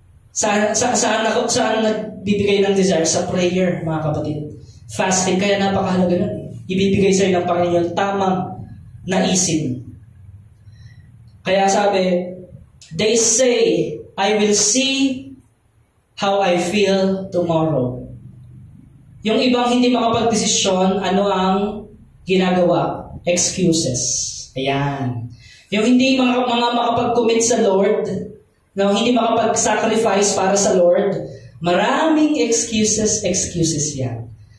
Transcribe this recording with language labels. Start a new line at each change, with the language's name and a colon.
Filipino: Saan nagbibigay ng desire? Sa prayer, mga kapatid. Fasting, kaya napakahalaga nun. Ibibigay sa'yo ng Panginoon tamang naisin.
English: Kaya sabi, they say, I will see how I feel tomorrow.
Filipino: Yung ibang hindi makapag-desisyon, ano ang ginagawa? Excuses. Ayan. Yung hindi mga makapag-commit sa Lord, no, hindi makapag-sacrifice para sa Lord, maraming excuses yan.